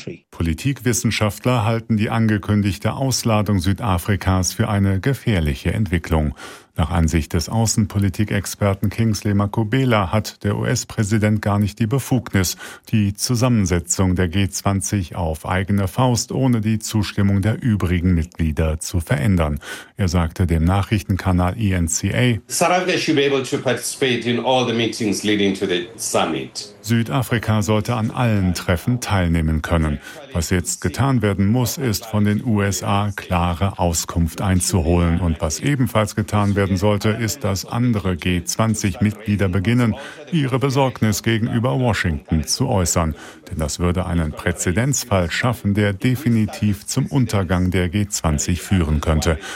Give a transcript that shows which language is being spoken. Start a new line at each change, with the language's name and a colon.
German: Politikwissenschaftler halten die angekündigte Ausladung Südafrikas für eine gefährliche Entwicklung. Nach Ansicht des Außenpolitik-Experten Kingsley Makubela hat der US-Präsident gar nicht die Befugnis, die Zusammensetzung der G20 auf eigene Faust ohne die Zustimmung der übrigen Mitglieder zu verändern. Er sagte dem Nachrichtenkanal INCA:
English: Südafrika should be able to participate in all the meetings leading to the summit.
German: Südafrika sollte an allen Treffen teilnehmen können. Was jetzt getan werden muss, ist von den USA klare Auskunft einzuholen. Und was ebenfalls getan werden sollte, ist, dass andere G20-Mitglieder beginnen, ihre Besorgnis gegenüber Washington zu äußern. Denn das würde einen Präzedenzfall schaffen, der definitiv zum Untergang der G20 führen könnte.